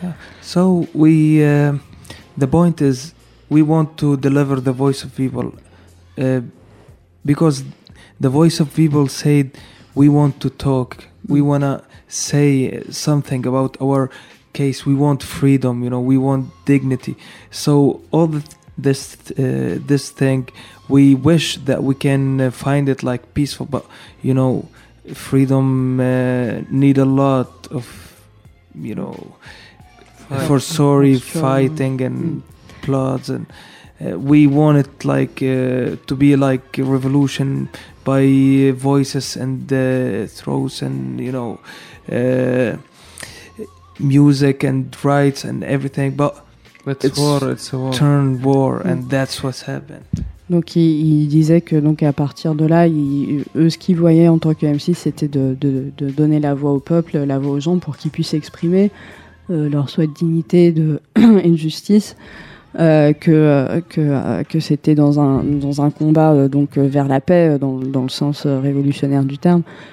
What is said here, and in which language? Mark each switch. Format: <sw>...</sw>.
<en>Yeah. So we, the point is, we want to deliver the voice of people, because the voice of people said we want to talk, we wanna say something about our case, we want freedom, you know, we want dignity. So all this thing, we wish that we can find it like peaceful, but you know, freedom need a lot of, you know, for sorry fighting and plots, and we want it like to be like a revolution by voices and throats and, you know, music and rights and everything, but it's war, it's a war. Turn war, and that's what's happened.</en> <fr>Donc il disait que donc à partir de là, eux ce qu'ils voyaient en tant que MC, c'était de donner la voix au peuple, la voix aux gens, pour qu'ils puissent exprimer leur souhait de dignité, de injustice, que c'était dans un combat donc vers la paix dans le sens révolutionnaire du terme.</fr>